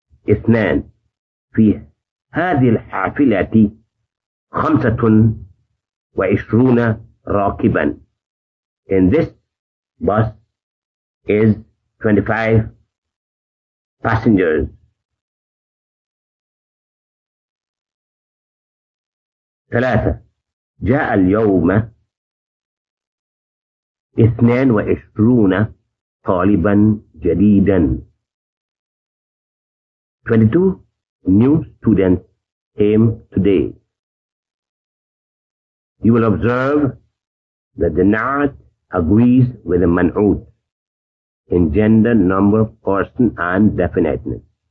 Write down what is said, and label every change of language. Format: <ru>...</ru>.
<ar>اثنان في هذه الحافلة 25 راكبا.</ar> <en>In this bus is 25 passengers.</en> <ar>ثلاثة جاء اليوم 22 طالبا جديدا.</ar> <en>22 new students came today. You will observe that the na'at agrees with the man'ut in gender, number, person and definiteness.</en>